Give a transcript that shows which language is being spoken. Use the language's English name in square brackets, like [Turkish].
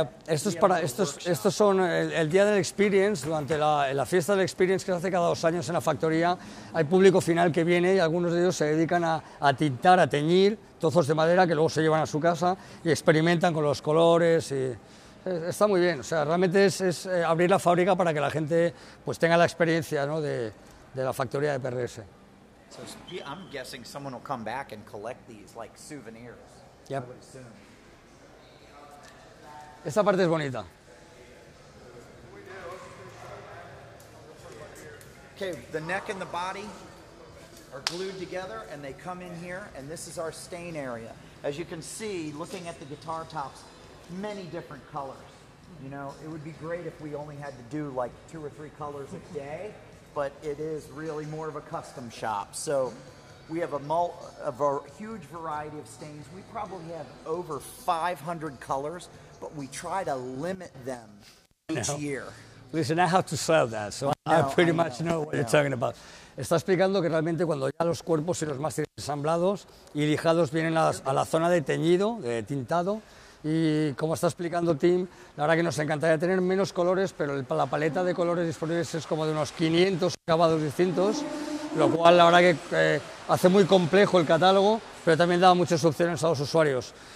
[Spanish] Estos son el día del experience. Durante la fiesta del experience, que se hace cada dos años en la factoría, hay público final que viene, y algunos de ellos se dedican a tintar, a teñir trozos de madera que luego se llevan a su casa y experimentan con los colores. Y está muy bien, o sea, realmente es abrir la fábrica para que la gente pues tenga la experiencia, ¿no?, de la factoría de PRS. [English] So, I'm guessing someone will come back and collect these like souvenirs. Yep. [Spanish] Esta parte es bonita. [English] Okay, the neck and the body are glued together, and they come in here, and this is our stain area. As you can see, looking at the guitar tops, many different colors. You know, it would be great if we only had to do like two or three colors a day, but it is really more of a custom shop. So we have a huge variety of stains. We probably have over 500 colors. But we try to limit them each year. Listen, I have to sell that, so I pretty much know what you're talking about. [Spanish] Está explicando que realmente cuando ya los cuerpos y los mástiles ensamblados y lijados vienen a la zona de teñido, de tintado, y como está explicando Tim, la verdad que nos encantaría tener menos colores, pero la paleta de colores disponibles es como de unos 500 acabados distintos, lo cual la verdad que hace muy complejo el catálogo, pero también da muchas opciones a los usuarios.